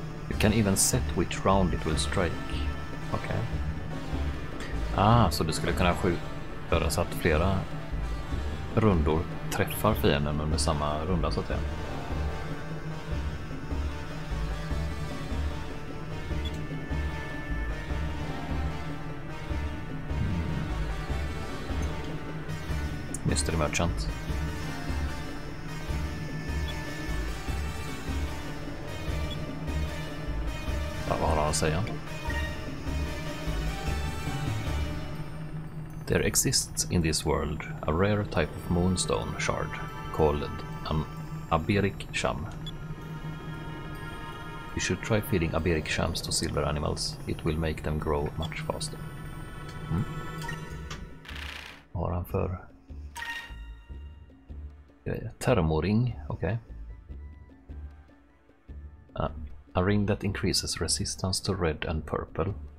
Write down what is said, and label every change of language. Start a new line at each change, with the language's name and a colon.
English: You can even set which round it will strike.
Swedish: Okej. Okay. Ah, så du skulle kunna skjuta så att flera rundor träffar fienden under samma runda så att säga.
English: Mystery Merchant.
Swedish: Säga.
English: There exists in this world a rare type of moonstone shard called an Aberic Sham. You should try feeding Aberic Shams to silver animals. It will make them grow much faster.
Swedish: Vad har han för termoring? Okej.
English: A ring that increases resistance to red and purple.